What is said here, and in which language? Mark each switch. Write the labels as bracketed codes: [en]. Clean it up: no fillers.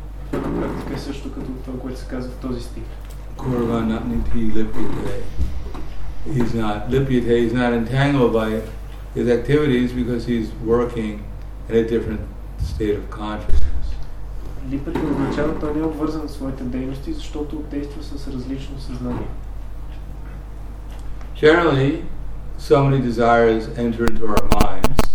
[bg] Практика е също като това, което се казва в този стих. [sa] Kurva natniti lipyate. [en] He's not lipyate, he's not entangled by his activities because he's working in a different state of consciousness. [bg] Lipyate означава, той не е обвързан с своите дейности, защото действа с различно съзнание. [en] Generally, so many desires enter into our minds.